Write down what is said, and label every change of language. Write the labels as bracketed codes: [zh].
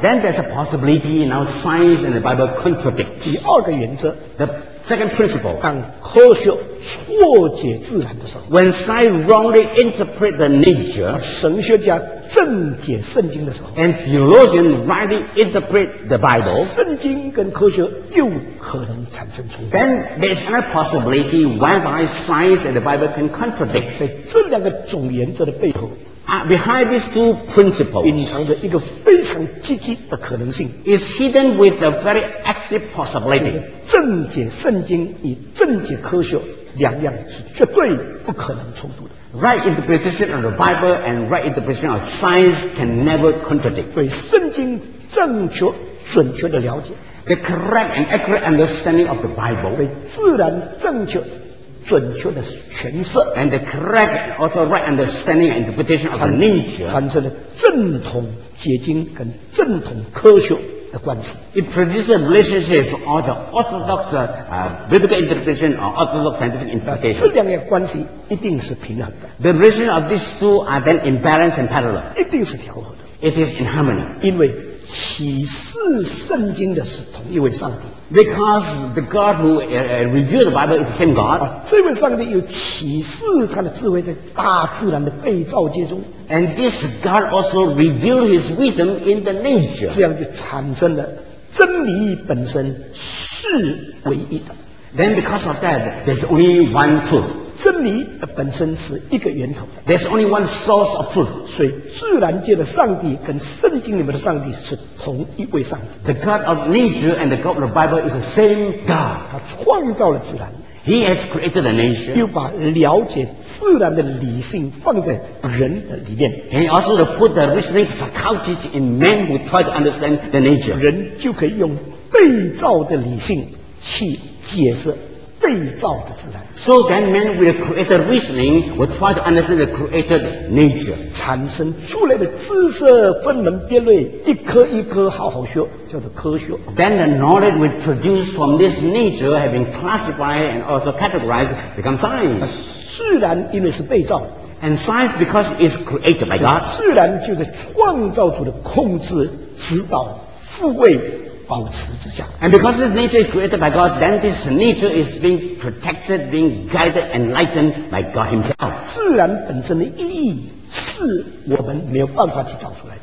[en] Then there's a possibility now science and the Bible contradict. [zh] 第二个原则 [en] ，The second principle. [zh] 当科学错解自然的时候 [en] ，When science wrongly interpret the nature, [zh] 神学家正解圣经的时候 [en] ，And theologian rightly interpret the Bible. [zh] 圣经跟科学又可能产生冲突。 [en] Then there's a possibility whereby science and the Bible can contradict. [zh] 在这两个总原则的背后。 [en] Behind these two principles, [zh] 隐藏着一个非常积极的可能性 [en] is hidden with a very active possibility. [zh] 正解圣经与正解科学两样是绝对不可能冲突的。 [en] Right interpretation of the Bible and right interpretation of science can never contradict. [zh] 对圣经正确准确的了解 [en] the correct and accurate understanding of the Bible. [zh] 对自然正确准确的诠释 [en] and the correct also right understanding and interpretation of the nature [zh] 产生了正统解经跟正统科学的关系 [en] it produces a relationship of the orthodox biblical interpretation or orthodox scientific interpretation [zh] 这两个关系一定是平衡的 [en] the relation of these two are then in balance and parallel [zh] 一定是调和的 [en] it is in harmony [zh] 因为启示圣经的是同一位上帝 [en] Because the God who reviewed the Bible is the same God. [zh] 这位上帝有启示他的智慧在大自然的被造界中。 [en] And this God also revealed his wisdom in the nature. [zh] 这样就产生了真理本身是唯一的。 [en] Then because of that, there's only one truth. [zh] 真理本身是一个源头。 [en] There's only one source of truth. [zh] 所以自然界的上帝跟圣经里面的上帝是同一位上帝。 [en] The God of nature and the God of the Bible is the same God. [zh] 他创造了自然。 [en] He has created the nature. [zh] 又把了解自然的理性放在人的里面。 [en] He also put the reasoning faculties in men who try to understand the nature. [zh] 人就可以用被造的理性去解释被造的自然 [en] So then man with a created reasoning will try to understand the created nature [zh] 产生出来的知识分门别类一颗一颗好好学叫做科学 [en] Then the knowledge will produce from this nature have been classified and also categorized become science [zh] 自然因为是被造 [en] And science because it's created by God [zh] 自然就是创造主的控制指导复位保持之下 [en] and because this nature is created by God, then this nature is being protected, being guided, enlightened by God Himself. [zh] 自然本身的意义是我们没有办法去找出来的。